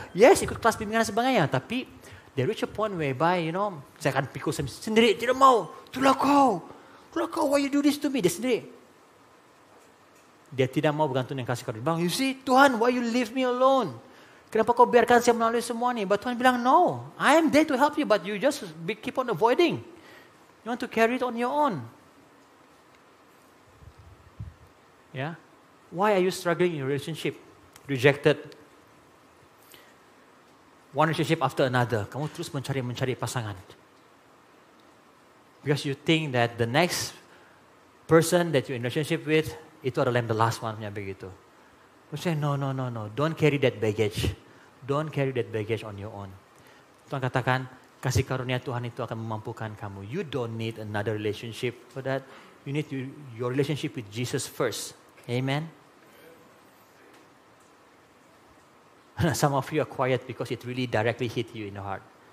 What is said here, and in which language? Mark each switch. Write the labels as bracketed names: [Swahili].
[Malay] Yes, ikut kelas bimbingan dan sebagainya. Tapi, [English] they reach a point whereby, [Malay] you know, saya akan pikul sendiri. Tidak mau. Itulah kau. [English] Why you do this to me? [Malay] Dia sendiri. Dia tidak mau bergantung dengan kasih karunia. [English] Bang, you see, Tuhan, why you leave me alone? [Malay] Kenapa kau biarkan saya melalui semua ini? [English] But Tuhan bilang, no. I am there to help you, but you just keep on avoiding. You want to carry it on your own. Yeah. Why are you struggling in your relationship? Rejected. One relationship after another. [Malay] Kamu terus mencari pasangan. [English] Because you think that the next person that you in relationship with, [Malay] itu adalah yang [English] the last one, yang begitu. We say, no. Don't carry that baggage. Don't carry that baggage on your own. [Malay] Tuhan katakan, kasih karunia Tuhan itu akan memampukan kamu. [English] You don't need another relationship for that. You need your relationship with Jesus first. Amen? Some of you are quiet because it really directly hit you in the heart.